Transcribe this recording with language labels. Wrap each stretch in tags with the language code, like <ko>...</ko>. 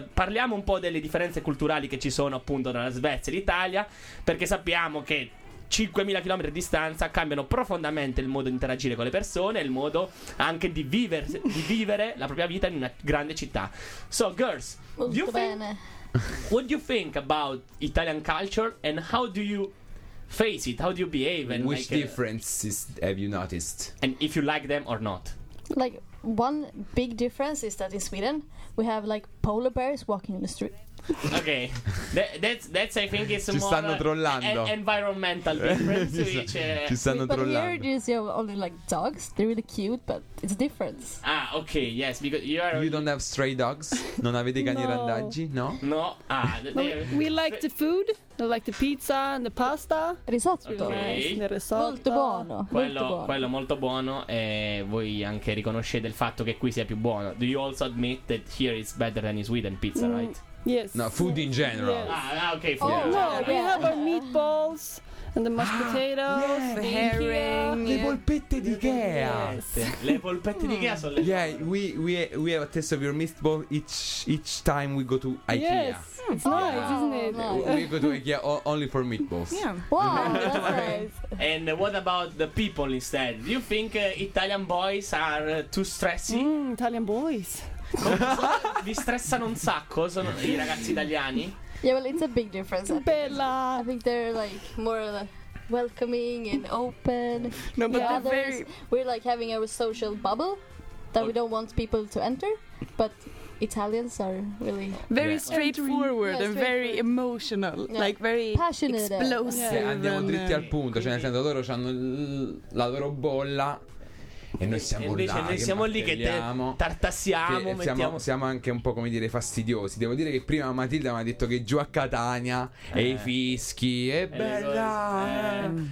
<it>Parliamo un po' delle differenze culturali che ci sono appunto tra la Svezia e l'Italia, perché sappiamo che 5.000 km di distanza cambiano profondamente il modo di interagire con le persone, il modo anche di vivere la propria vita in una grande città.</it> <en>So, girls,</en> <it>molto bene.</it> <en>What do you think about Italian culture and how do you face it? How do you behave? And which differences have you noticed? And if you like them or not? Like, one big difference is that in Sweden we have like polar bears walking in the street. Okay, that's I think it's</en> <it>ci</it> <en>more</en> <it>stanno trollando.</it> <en>Environmental difference.</en> <it>Ci stanno trollando.</it> <en>But here you only like dogs. They're really cute, but it's different. Ah, okay, yes, because you are. You don't have stray dogs.</en> <it>Non avete cani no. randaggi, no?</it> <en>No. Ah, we like the food. I like the pizza and the pasta. Risotto. Okay. Nice.</en> <it>Molto buono. Quello molto buono. E voi anche riconoscete il fatto che qui sia più buono.</it> <en>Do you also admit that here is better than in Sweden pizza, right? Yes. No, food in general. Yes. Ah, okay, food. Oh, no, we have our meatballs and the mashed potatoes, yes, the herring.</en> <it>Le polpette di Ikea. Le polpette di Ikea sono le.</it> <en>Yeah, we have a taste of your meatball each time we go to IKEA. Yes. It's nice, isn't it? No. We go to IKEA only for meatballs. Yeah. Wow. Nice. And what about the people instead? Do you think Italian boys are too stressy? Italian boys.</en> <it>Vi stressano un sacco, sono i ragazzi italiani?</it> <en>Yeah, well, it's a big difference.</en> <it>Bella.</it> <en>I think they're like more welcoming and open. No, but the others, we're like having our social bubble that we don't want people to enter, but Italians are really very straightforward and very emotional, yeah. Like very passionate, explosive. Yeah.</en> <it>Andiamo dritti al punto, cioè nel senso loro hanno la loro bolla. E noi siamo invece là, noi siamo lì che tartassiamo, che siamo anche un po', come dire, fastidiosi. Devo dire che prima Matilda mi ha detto che giù a Catania e i fischi è bella</it>